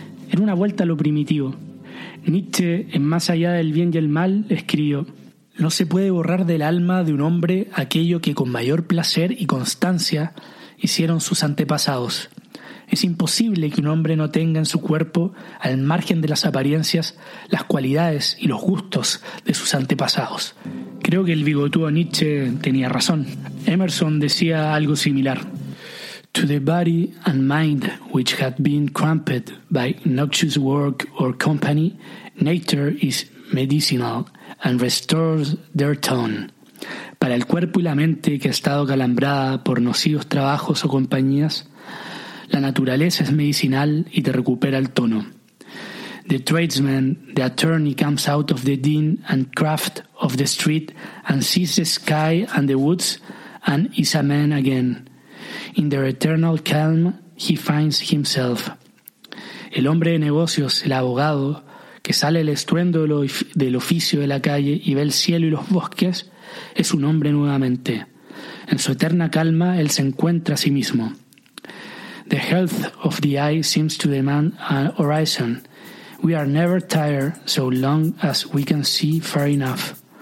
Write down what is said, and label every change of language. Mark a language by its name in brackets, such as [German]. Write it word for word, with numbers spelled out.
[Spanish] Era una vuelta a lo primitivo. Nietzsche, en Más allá del bien y el mal, escribió: «No se puede borrar del alma de un hombre aquello que con mayor placer y constancia hicieron sus antepasados». Es imposible que un hombre no tenga en su cuerpo, al margen de las apariencias, las cualidades y los gustos de sus antepasados. Creo que el bigotudo Nietzsche tenía razón. Emerson decía algo similar. [English] To the body and mind which had been cramped by noxious work or company, nature is medicinal and restores their tone. [Spanish] Para el cuerpo y la mente que ha estado calambrada por nocivos trabajos o compañías, la naturaleza es medicinal y te recupera el tono. [English] The tradesman, the attorney, comes out of the din and craft of the street and sees the sky and the woods and is a man again. In their eternal calm he finds himself. [Spanish] El hombre de negocios, el abogado, que sale el estruendo del oficio de la calle y ve el cielo y los bosques, es un hombre nuevamente. En su eterna calma él se encuentra a sí mismo. [English] The health of the eye seems to demand an horizon. We are never tired so long as we can see far enough.